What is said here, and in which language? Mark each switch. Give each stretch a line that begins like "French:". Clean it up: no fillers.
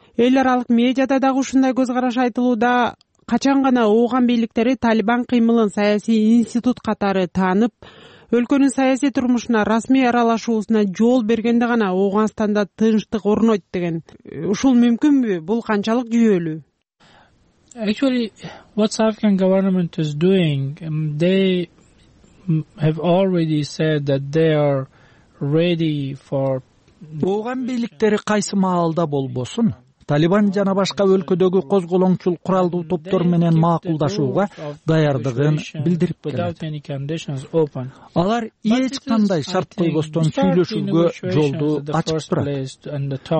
Kyrgyz: Эл аралык медиада дагы ушундай көз караш айтылууда. Качан гана Ооган бийликтери Талибан кыймылын саясий институт катары таанып, өлкөнүн саясий турмушуна расмий аралашуусуна жол бергенде гана Ооганстанда тынчтык орнойт деген. Ушул мүмкүнбү? Бул канчалык жүйөлүү?
English: Actually, what the Afghan government is doing, they have already said that they are ready for...
Kyrgyz: Ооган бийликтери кайсы маалда болбосун, Талибан жана башка өлкөдөгү козголоңчул куралдуу топтор менен макулдашууга даярдыгын билдирип келет. Алар эч кандай шарт койбостон сүйлөшүүгө жолду ачып турат.